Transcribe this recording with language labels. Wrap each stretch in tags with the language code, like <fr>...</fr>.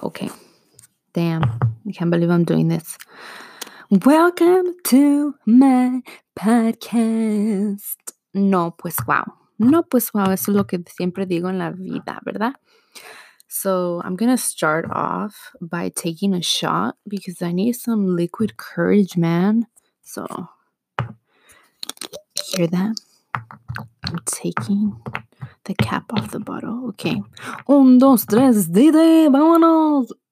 <en>Okay, damn, I can't believe I'm doing this. Welcome to my podcast.</en> <es>No, pues wow, eso es lo que siempre digo en la vida, ¿verdad?</es> <en>So, I'm going to start off by taking a shot because I need some liquid courage, man. So, hear that? I'm taking the cap off the bottle. Okay.</en> <es>Un, dos, tres, dite, vámonos.</es>